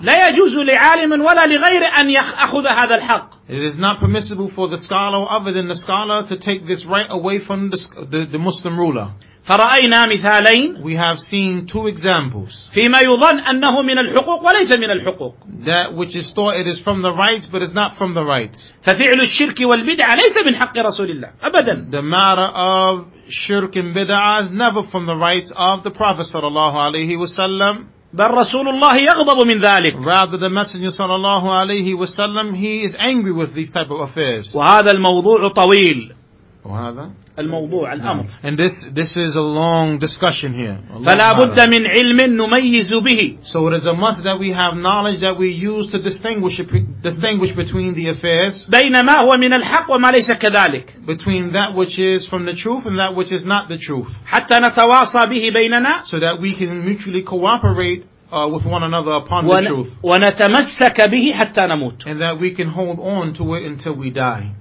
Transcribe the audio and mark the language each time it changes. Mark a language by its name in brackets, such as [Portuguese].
[Arabic] لا يجوز لعالم ولا لغير أن يأخذ هذا الحق. [English] It is not permissible for the scholar or other than the scholar to take this right away from the Muslim ruler. [Arabic] فرأينا مثالين. [English] We have seen two examples. [Arabic] فيما يظن أنه من الحقوق وليس من الحقوق. [English] That which is thought it is from the rights, but it's not from the rights. [Arabic] ففعل الشرك والبدعة ليس من حق رسول الله أبدا. [English] The matter of shirk and bid'ah is never from the rights of the Prophet [Arabic] صلى الله عليه وسلم. بل رسول الله يغضب من ذلك. [English] Rather, the Messenger [Arabic] صلى الله عليه وسلم, [English] he is angry with these type of affairs. [Arabic] وهذا الموضوع طويل. وهذا. الموضوع الأمر. [English] And this is a long discussion here. [Arabic] فلا بد من علم نميز به. [English] So it is a must that we have knowledge that we use to distinguish between the affairs. [Arabic] بين ما هو من الحق وما ليس كذلك. [English] Between that which is from the truth and that which is not the truth. [Arabic] حتى نتواصى به بيننا. [English] So that we can mutually cooperate with one another upon the truth. [Arabic] ونتمسك به حتى نموت. [English] And that we can hold on to it until we die.